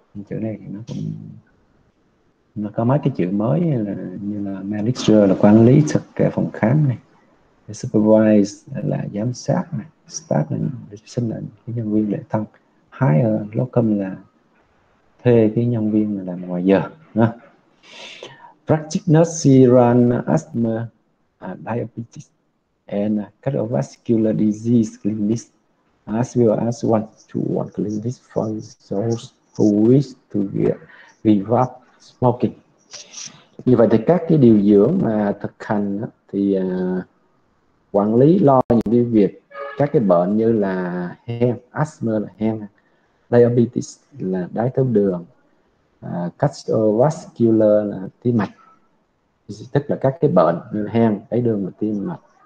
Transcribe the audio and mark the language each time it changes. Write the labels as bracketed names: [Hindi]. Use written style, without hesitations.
[Vietnamese] Chỗ này thì nó cũng nó có mấy cái chữ mới là như là manager là quản lý thực cái phòng khám này, supervise là giám sát này, staff là sinh là cái nhân viên lễ tân, hire locum là thuê cái nhân viên mà làm ngoài giờ. [English] Practice nurse run asthma, diabetes and cardiovascular disease clinics, as well as one to one clinics for those who wish to give up smoking. [Vietnamese] Như vậy thì các cái điều dưỡng mà thực hành đó, thì quản lý lo những cái việc các cái bệnh như là hen, asthma là hen, diabetes là đái tháo đường, cardiovascular là tim mạch, tức là các cái bệnh như hen, đái đường và tim mạch.